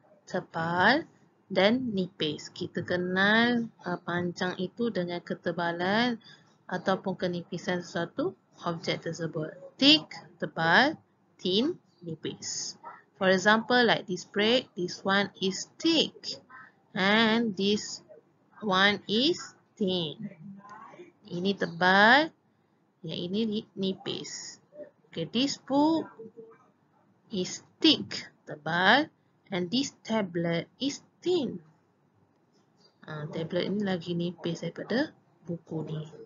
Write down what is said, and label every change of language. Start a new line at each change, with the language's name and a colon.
Malay: tebal dan nipis. Kita kenal panjang itu dengan ketebalan ataupun kenipisan sesuatu objek tersebut.
English: Thick, tebal, thin, nipis. For example, like this bread, this one is thick and this one is thin.
Malay: Ini tebal, yang ini nipis.
English: Okay, this book is thick, tebal, and this tablet is thin.
Malay: Tablet ini lagi nipis daripada buku ni.